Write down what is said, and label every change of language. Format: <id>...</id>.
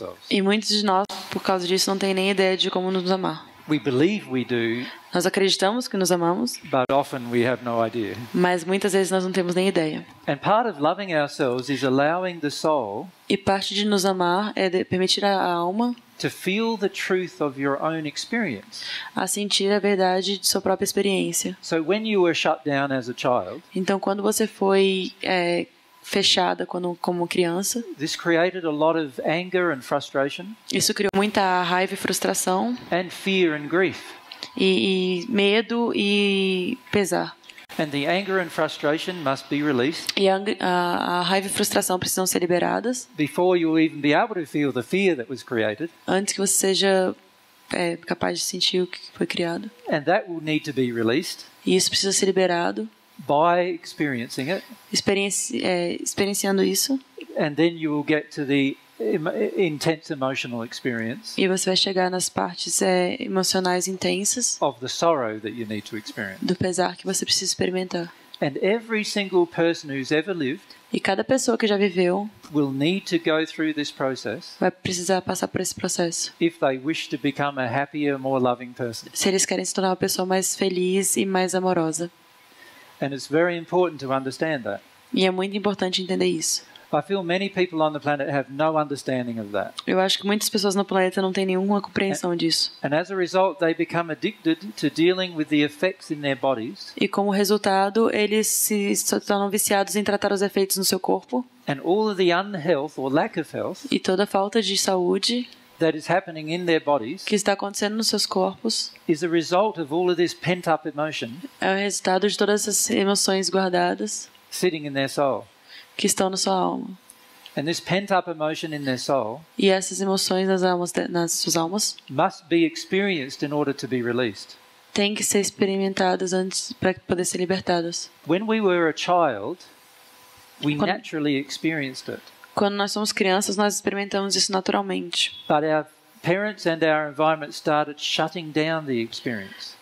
<pt>E muitos de nós, por causa disso, não têm nem ideia de como nos amar.</pt> <en>We believe we do,</en> <pt>nós acreditamos que nos amamos,</pt> <en>but often we have no idea.</en> <pt>Mas muitas vezes nós não temos nem ideia.</pt> <en>And part of loving ourselves is allowing the soul,</en> <pt>e parte de nos amar é permitir a alma</pt> <en>to feel the truth of your own experience.</en> <pt>A sentir a verdade de sua própria experiência.</pt> <en>So when you were shut down as a child,</en> <pt>então quando você foi fechada como criança,</pt> <en>this created a lot of anger and frustration,</en> <pt>isso criou muita raiva e frustração,</pt> <en>and fear and grief,</en> <pt>e medo e pesar.</pt> <en>And the anger and frustration must be released.</en> <pt>E a raiva e frustração precisam ser liberadas.</pt> <en>Before you even be able to feel the fear that was created.</en> <pt>Antes que você seja capaz de sentir o que foi criado.</pt> <en>And that will need to be released.</en> <pt>E isso precisa ser liberado.</pt> <en>By experiencing it.</en> <pt>Experienciando isso.</pt> <en>And then you will get to the intense emotional experience.</en> <pt>E você vai chegar nas partes emocionais intensas.</pt> <en>Of the sorrow that you need to experience.</en> <pt>Do pesar que você precisa experimentar.</pt> <en>And every single person who's ever lived.</en> <pt>E cada pessoa que já viveu.</pt> <en>Will need to go through this process.</en> <pt>Vai precisar passar por esse processo.</pt> <en>If they wish to become a happier, more loving person.</en> <pt>Se eles querem se tornar uma pessoa mais feliz e mais amorosa.</pt> <en>And it's very important to understand that.</en> <pt>E é muito importante entender isso.</pt> <en>I feel many people on the planet have no understanding of that.</en> <pt>Eu acho que muitas pessoas no planeta não têm nenhuma compreensão disso.</pt> <en>And as a result, they become addicted to dealing with the effects in their bodies.</en> <pt>E como resultado, eles se tornam viciados em tratar os efeitos no seu corpo.</pt> <en>And all of the unhealth or lack of health.</en> <pt>E toda a falta de saúde.</pt> <en>That is happening in their bodies.</en> <pt>Que está acontecendo nos seus corpos.</pt> <en>Is a result of all of this pent-up emotion.</en> <pt>É o resultado de todas essas emoções guardadas.</pt> <en>Sitting in their soul.</en> <pt>Que estão na sua alma.</pt> <en>And this pent-up emotion in their soul,</en> <pt>e essas emoções nas suas almas,</pt> <en>must be experienced in order to be released.</en> <pt>Tem que ser experimentadas antes para poder ser libertadas.</pt> <en>When we were a child, we naturally experienced it.</en> <pt>Quando nós somos crianças, nós experimentamos isso naturalmente.</pt> <en>But our parents and our environment started shutting down the experience.</en>